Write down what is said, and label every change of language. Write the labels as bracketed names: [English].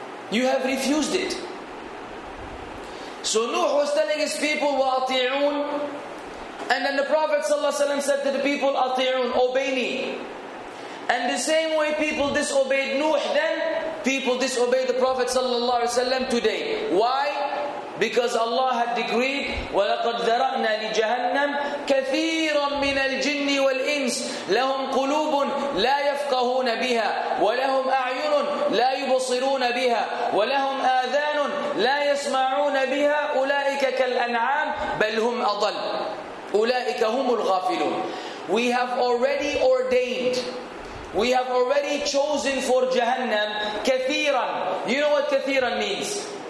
[English] You have refused it. So Nuh was telling his people, وَأَطِعُونَ. And then the Prophet ﷺ said to the people, Ati'un, obey me. And the same way people disobeyed Nuh then, people disobeyed the Prophet ﷺ today. Why? Because Allah had decreed, [Arabic] وَلَقَدْ ذَرَأْنَا لِجَهَنَّمْ كَثِيرًا مِّنَ الْجِنِّ وَالْإِنسِ لَهُمْ قُلُوبٌ لَا يَفْقَهُونَ بِهَا وَلَهُمْ أَعْيُنٌ لَا يُبَصِرُونَ بِهَا وَلَهُمْ آذَانٌ لَا يَسْمَعُونَ بِهَا أُولَئِكَ كَالْأَنْعَامِ بَلْ هُمْ أَضَلُّ أُولَئِكَ هُمُ الْغَافِلُونَ. [English] We have already ordained, we have already chosen for Jahannam كَثِيرًا. You know what كَثِيرًا means?